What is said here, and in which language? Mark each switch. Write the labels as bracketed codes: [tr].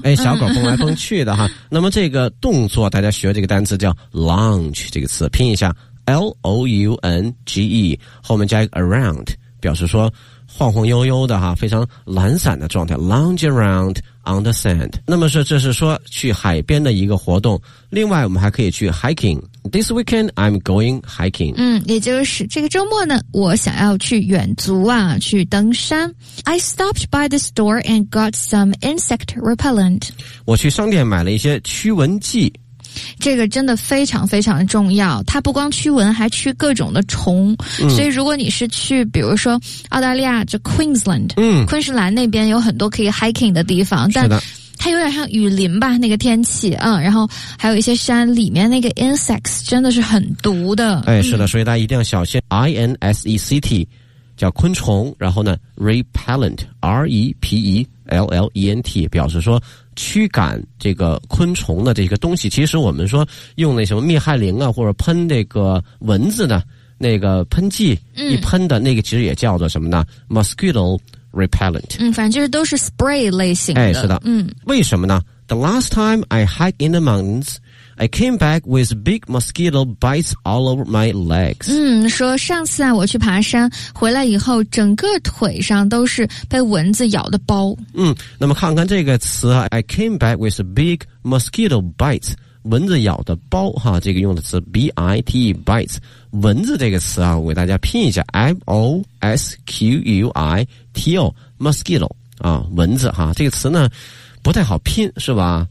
[zh] 哎，小狗蹦来蹦去的哈。那么这个动作大家学这个单词叫 lounge, 这个词拼一下 L-O-U-N-G-E, 后面加一个 around, 表示说晃晃悠悠的哈，非常懒散的状态 , [en] lounge around on the sand。 [zh] 那么这是说去海边的一个活动。另外我们还可以去 hiking。 [en] This weekend, I'm going hiking. [zh] 嗯，也就是这个周末呢，我想要去远足啊，去登山。 [en] I stopped by the store and got some insect repellent. [zh] 我去商店买了一些驱蚊剂。这个真的非常非常重要，它不光驱蚊还驱各种的虫、嗯、所以如果你是去比如说澳大利亚这 Queensland、嗯、昆士兰那边有很多可以 hiking 的地方，但它有点像雨林吧那个天气、嗯、然后还有一些山里面那个 insects 真的是很毒的、哎、是的、嗯、所以大家一定要小心 insect 叫昆虫，然后呢 repellent R-E-P-E-L-L-E-N-T 表示说驱赶这个昆虫的这个东西，其实我们说用那什么灭害灵啊，或者喷那个蚊子的那个喷剂、嗯、一喷的那个，其实也叫做什么呢 ？ [en] Mosquito repellent。 [zh] 嗯，反正就是都是 spray 类型的。哎，是的。嗯，为什么呢 [en] ？The last time I hiked in the mountains, I came back with big mosquito bites all over my legs。 [zh] 嗯，说上次啊，我去爬山回来以后，整个腿上都是被蚊子咬的包。嗯，那么看看这个词啊 ， [en] I came back with big mosquito bites。 [zh] 蚊子咬的包哈，这个用的词 bite bites, 蚊子这个词啊，我给大家拼一下 mosquito, mosquito, 啊，蚊子哈，这个词呢不太好拼是吧？